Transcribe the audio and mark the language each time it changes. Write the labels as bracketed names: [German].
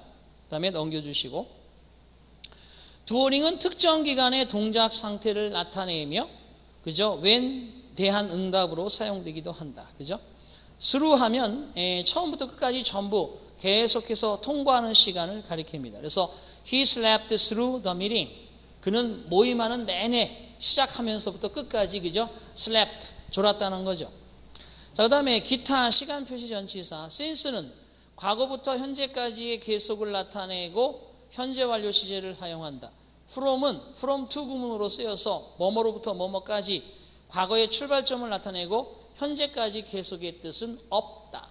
[Korean] 그 다음에 넘겨주시고 doing은 특정 기간의 동작 상태를 나타내며 그죠? when 대한 응답으로 사용되기도 한다. 그죠? through 하면 처음부터 끝까지 전부 계속해서 통과하는 시간을 가리킵니다. [English] 그래서 he slept through the meeting. [Korean] 그는 모임하는 내내 시작하면서부터 끝까지 그죠? slept, 졸았다는 거죠. 자, 그 다음에 기타 시간 표시 전치사 since는 과거부터 현재까지의 계속을 나타내고 현재 완료 시제를 사용한다. from은 from to 구문으로 쓰여서 뭐뭐로부터 뭐뭐까지 과거의 출발점을 나타내고 현재까지 계속의 뜻은 없다.